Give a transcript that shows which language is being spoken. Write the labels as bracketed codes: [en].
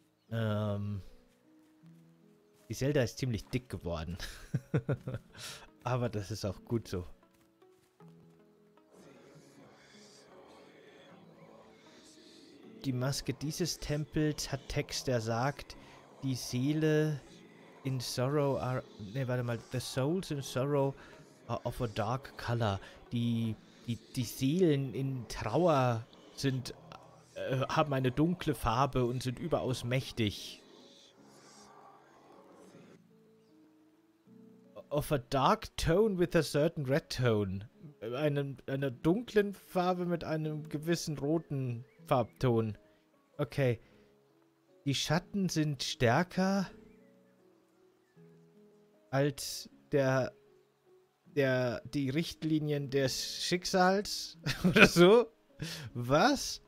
[de] Die Zelda ist ziemlich dick geworden. Aber das ist auch gut so. Die Maske dieses Tempels hat Text, der sagt, die Seele... [en] In sorrow are... [de] Ne, warte mal. [en] The souls in sorrow are of a dark color. [de] Die Seelen in Trauer sind... haben eine dunkle Farbe und sind überaus mächtig. [en] Of a dark tone with a certain red tone. [de] Einer dunklen Farbe mit einem gewissen roten Farbton. Okay. Die Schatten sind stärker... als die Richtlinien des Schicksals oder so. Was?